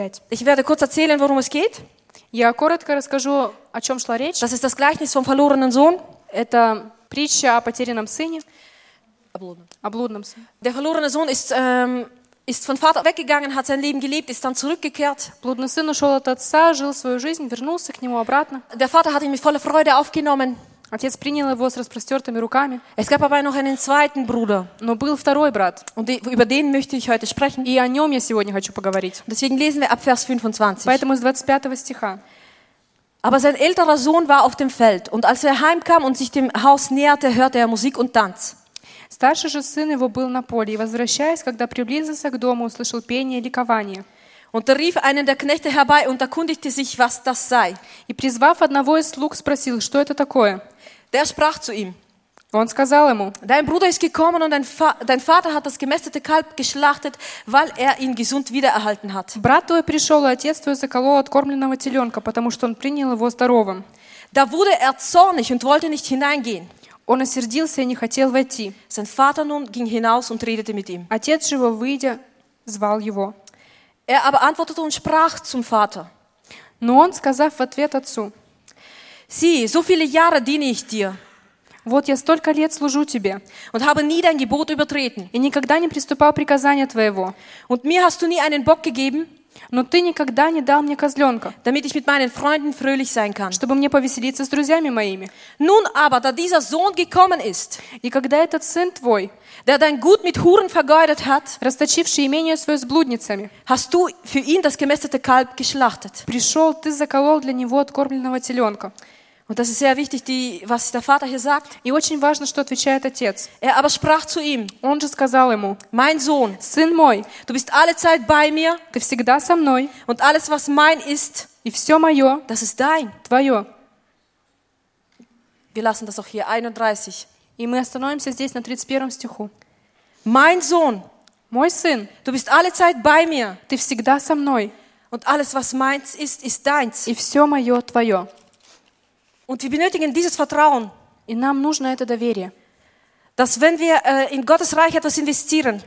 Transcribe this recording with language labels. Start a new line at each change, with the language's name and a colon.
German: Ich werde kurz erzählen, worum es geht.
Russian: Я коротко расскажу, о чём шла речь.
German: Das ist das Gleichnis vom verlorenen Sohn.
Russian: Это притча о потерянном сыне. Облудном.
German: Der verlorene Sohn ist ist von Vater weggegangen, hat sein Leben gelebt, ist dann zurückgekehrt.
Russian: Блудный сын ушел от отца, жил свою жизнь, вернулся к нему обратно.
German: Der Vater hat ihn mit voller Freude aufgenommen.
Russian: Отец принял его с распростертыми руками.
German: Es gab aber noch einen zweiten Bruder.
Russian: Но был второй брат.
German: Und über den möchte ich heute sprechen.
Russian: И о нем я сегодня хочу поговорить.
German: Deswegen lesen wir ab Vers 25.
Russian: Поэтому с 25 стиха.
German: Aber sein älterer Sohn war auf dem Feld, und als er heimkam und sich dem Haus näherte, hörte er Musik und Tanz.
Russian: Старший же сын его был на поле, и, возвращаясь, когда приблизился к дому, услышал пение и ликование.
German: Und er rief einen der Knechte herbei und erkundigte sich, was das sei.
Russian: И призвав одного из слуг, спросил, что это такое.
German: Der sprach zu ihm.
Russian: Он сказал ему.
German: Dein Bruder ist gekommen und dein Vater hat das gemästete Kalb geschlachtet, weil er ihn gesund wiedererhalten hat.
Russian: Брат твой пришел, и отец твой заколол откормленного теленка, потому что он принял его здоровым.
German: Da wurde er zornig und wollte nicht hineingehen.
Russian: Он осердился и не хотел войти.
German: Sein Vater nun ging hinaus und redete mit ihm.
Russian: Отец же его, выйдя, звал его.
German: Er aber antwortete und sprach zum Vater.
Russian: Но он, сказав в ответ отцу,
German: Sieh, so viele Jahre diene ich dir.
Russian: Вот я столько лет служу тебе.
German: Und habe nie dein Gebot übertreten.
Russian: И никогда не приступал приказания твоего.
German: Und mir hast du nie einen Bock gegeben.
Russian: Но ты никогда не дал мне козленка.
German: Damit ich mit meinen Freunden fröhlich sein kann.
Russian: Чтобы мне повеселиться с друзьями моими.
German: Nun aber, da dieser Sohn gekommen ist.
Russian: И когда этот сын твой,
German: der dein Gut mit Huren vergeudet hat,
Russian: расточивший имение свое с блудницами,
German: hast du für ihn das gemästete Kalb geschlachtet.
Russian: Пришел, ты заколол для него откормленного теленка.
German: Und das ist sehr wichtig, was der Vater hier sagt.
Russian: И очень важно, что отвечает отец.
German: Er aber sprach zu ihm.
Russian: Он же сказал ему.
German: Mein Sohn.
Russian: Сын мой.
German: Du bist alle Zeit bei mir.
Russian: Ты всегда со мной.
German: Und alles, was mein ist.
Russian: И все мое.
German: Das ist dein.
Russian: Твое.
German: Wir lassen das auch hier, 31.
Russian: И мы остановимся здесь на 31 стиху.
German: Mein Sohn.
Russian: Мой сын.
German: Du bist alle Zeit bei mir.
Russian: Ты всегда со мной.
German: Und alles, was meins ist, ist deins.
Russian: И все мое, твое.
German: Und wir benötigen dieses Vertrauen.
Russian: И нам нужно это доверие.
German: Dass wenn wir in Gottes Reich etwas investieren,